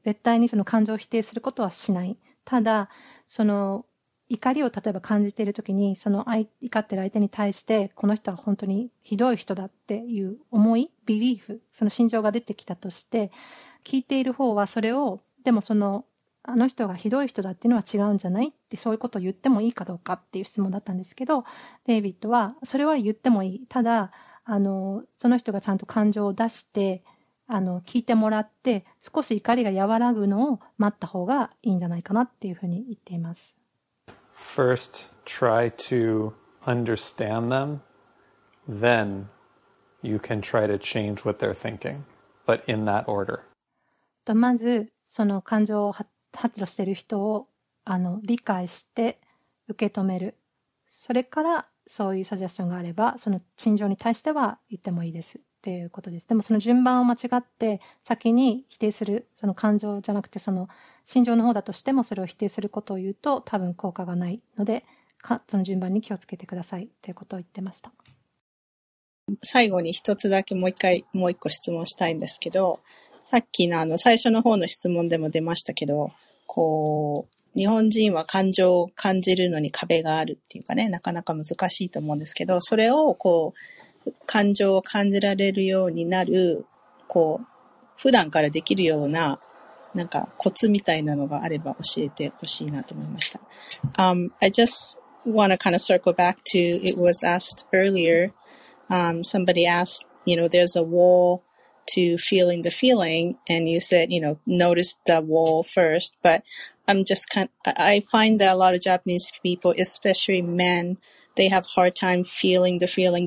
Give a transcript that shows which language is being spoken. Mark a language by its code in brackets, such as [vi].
[ja] 絶対にその感情を否定することはしない。ただ、その怒りを例えば感じているときに、その怒っている相手に対して、この人は本当にひどい人だっていう思い、ビリーフ、その心情が出てきたとして、聞いている方はそれを、でもその、あの人がひどい人だっていうのは違うんじゃないってそういうことを言ってもいいかどうかっていう質問だったんですけど、デイビッドはそれは言ってもいい。ただその人がちゃんと感情を出して聞いてもらって少し怒りが和らぐのを待った方がいいんじゃないかなっていうふうに言っています。 [en] First, try to understand them. Then, you can try to change what they're thinking. But in that order. [ja] とまずその感情を発露している人を理解して受け止める。それからそういうサジェスションがあれば、その陳情に対しては言ってもいいですっていうことです。でもその順番を間違って先に否定する、その感情じゃなくてその陳情の方だとしてもそれを否定することを言うと多分効果がないので、その順番に気をつけてくださいっていうことを言ってました。最後に一つだけもう一個質問したいんですけど、さっきの最初の方の質問でも出ましたけど、こう、日本人は感情を感じるのに壁があるっていうかね、なかなか難しいと思うんですけど、それをこう、感情を感じられるようになる、こう、普段からできるような、なんかコツみたいなのがあれば教えてほしいなと思いました。 [en] I just wanna kind of circle back to, it was asked earlier, somebody asked, you know, there's a wall,to feeling the feeling, and you said, you know, notice the wall first, but I'm just kind of, I find that a lot of Japanese people, especially men, they have hard time feeling the feeling.